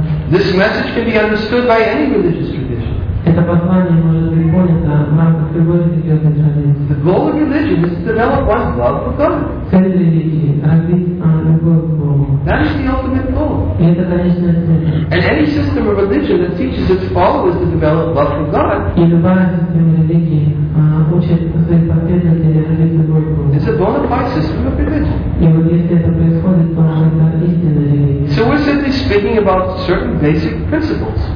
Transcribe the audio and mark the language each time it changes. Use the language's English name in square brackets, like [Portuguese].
[English] This message can be understood by any religious tradition. [Russian] Это послание может быть понято в рамках любой религиозной традиции. [English] The goal of religion is to develop one's love for God. [Russian] Цель религии – развить любовь к Богу. [English] That is the ultimate goal. [Russian] И это конечная цель. [English] And any system of religion that teaches its followers to develop love for God. [Russian] И любая система религии учит своих последователей развить любовь к Богу. [English] It's a bona fide system of religion. [Russian] И вот если это происходит, то это истинная религия. [English] So we're simply speaking about certain basic principles.